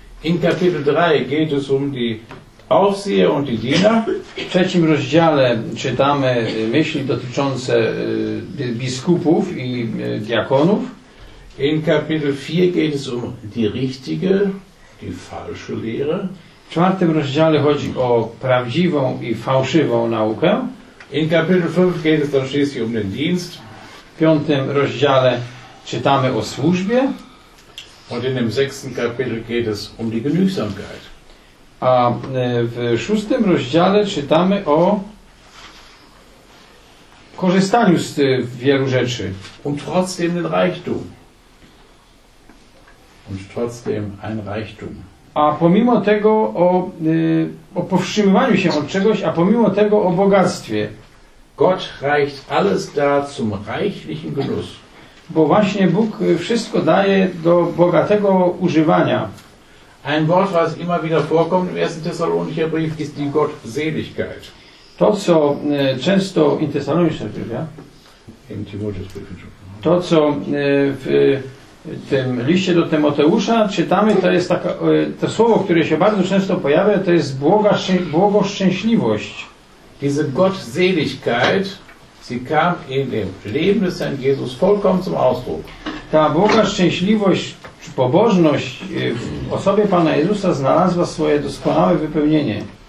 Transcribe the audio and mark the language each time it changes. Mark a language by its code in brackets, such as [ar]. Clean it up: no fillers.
[de] In Kapitel 3 geht es um die Aufseher und die Diener. [pl] W trzecim rozdziale czytamy myśli dotyczące biskupów i diakonów. [de] In Kapitel 4 geht es um die richtige, die falsche Lehre. [pl] W czwartym rozdziale chodzi o prawdziwą i fałszywą naukę. [de] In Kapitel 5 geht es dann schließlich um den Dienst. [pl] W piątym rozdziale czytamy o służbie. [de] Und in dem sechsten Kapitel geht es um die Genügsamkeit. [pl] A w szóstym rozdziale czytamy o korzystaniu z wielu rzeczy. [de] Und trotzdem den Reichtum. Und trotzdem ein Reichtum. [pl] A pomimo tego o powstrzymywaniu się od czegoś, a pomimo tego o bogactwie. [de] Gott reicht alles da zum reichlichen Genuss. [pl] Bo właśnie Bóg wszystko daje do bogatego używania. [de] Ein Wort, was immer wieder vorkommt im ersten Thessalonicher Brief, ist die Gottseligkeit. [pl] To, co często [de] in Thessalonicher Brief, ja? In Timotheus Brief. [pl] To, co w tym liście do Tymoteusza czytamy, to jest taka, to słowo, które się bardzo często pojawia, to jest błogoszczęśliwość. [de] Diese Gottseligkeit, sie kam in dem Leben des Herrn Jesus vollkommen zum Ausdruck. [pl] Ta błogoszczęśliwość, pobożność w osobie Pana Jezusa znalazła swoje doskonałe wypełnienie.